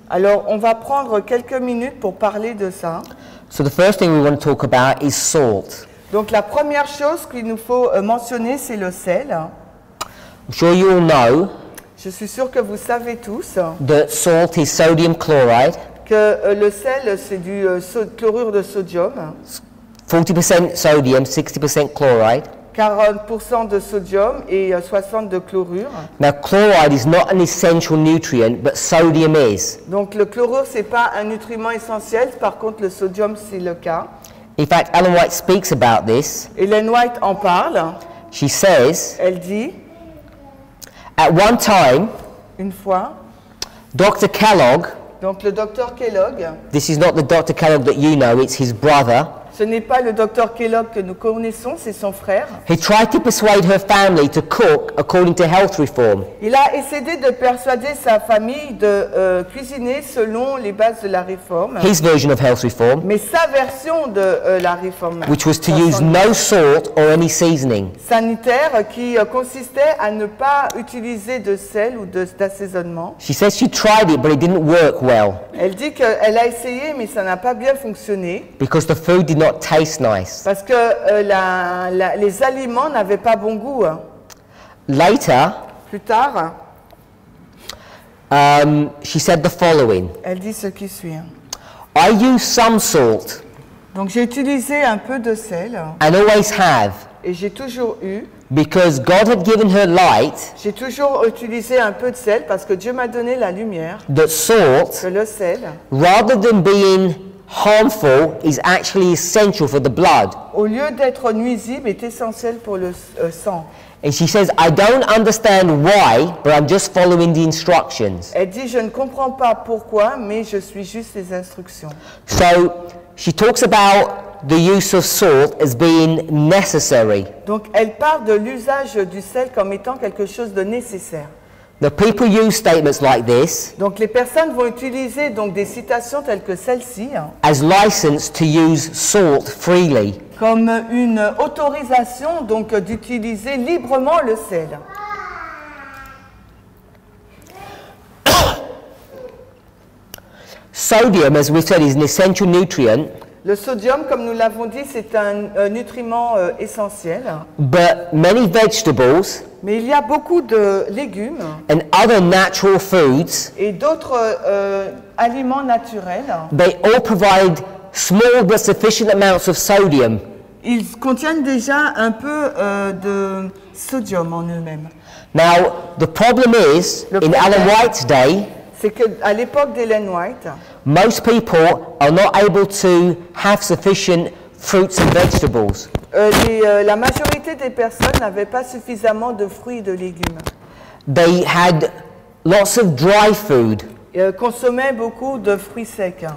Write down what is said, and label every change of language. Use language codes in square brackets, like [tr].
[fr] Alors, on va prendre quelques minutes pour parler de ça. [en] So the first thing we want to talk about is salt. [fr] Donc la première chose qu'il nous faut mentionner, c'est le sel. [en] I'm sure you all know. [fr] Je suis sûr que vous savez tous. [en] That salt is sodium chloride. [fr] Que le sel, c'est du chlorure de sodium. [en] 40% sodium, 60% chloride. [fr] 40% de sodium et 60% de chlorure. [en] Now chloride is not an essential nutrient, but sodium is. [fr] Donc le chlorure, c'est pas un nutriment essentiel, par contre le sodium, c'est le cas. [en] In fact, Ellen White speaks about this. [fr] Ellen White en parle. [en] She says. [fr] Elle dit. [en] At one time. [fr] Une fois. [en] Dr. Kellogg. [fr] Donc le docteur Kellogg. [en] This is not the Dr. Kellogg that you know. It's his brother. [fr] Ce n'est pas le docteur Kellogg que nous connaissons. C'est son frère. [en] He tried to persuade her family to cook according to health reform. [fr] Il a essayé de persuader sa famille de cuisiner selon les bases de la réforme. [en] His version of health reform. [fr] Mais sa version de la réforme. [en] Which was to use no salt or any seasoning. [fr] Sanitaire qui consistait à ne pas utiliser de sel ou d'assaisonnement. [en] She says she tried it, but it didn't work well. [fr] Elle dit que elle a essayé, mais ça n'a pas bien fonctionné. [en] Because the food did not taste nice. [fr] Parce que les aliments n'avaient pas bon goût. [en] Later, [fr] plus tard, [en] she said the following. [fr] Elle dit ce qui suit. [en] I use some salt. [fr] Donc j'ai utilisé un peu de sel. [en] And always have. [fr] Et j'ai toujours eu. [en] Because God had given her light. [fr] J'ai toujours utilisé un peu de sel parce que Dieu m'a donné la lumière. [en] The salt. [fr] Que le sel. [en] Rather than being harmful is actually essential for the blood. [fr] Au lieu d'être nuisible, est essentiel pour le sang. [en] And she says, I don't understand why, but I'm just following the instructions. [fr] Elle dit, je ne comprends pas pourquoi, mais je suis juste les instructions. [en] So, she talks about the use of salt as being necessary. [fr] Donc, elle parle de l'usage du sel comme étant quelque chose de nécessaire. [en] The people use statements like this. [fr] Donc les personnes vont utiliser donc des citations telles que celle-ci. Hein, [en] as license to use salt freely. [fr] Comme une autorisation donc d'utiliser librement le sel. [en] Sodium, as we said, is an essential nutrient. [fr] Le sodium, comme nous l'avons dit, c'est un nutriment essentiel. [en] But many vegetables. [fr] Mais il y a beaucoup de légumes. [en] And other natural foods. [fr] Et d'autres aliments naturels. [en] They all provide small but sufficient amounts of sodium. [fr] Ils contiennent déjà un peu de sodium en eux-mêmes. [en] Now the problem is in Ellen White's day. [fr] C'est que à l'époque d'Ellen White, [en] most people are not able to have sufficient fruits and vegetables. [fr] La majorité des personnes n'avaient pas suffisamment de fruits et de légumes. [en] They had lots of dry food. [fr] Consommaient beaucoup de fruits secs.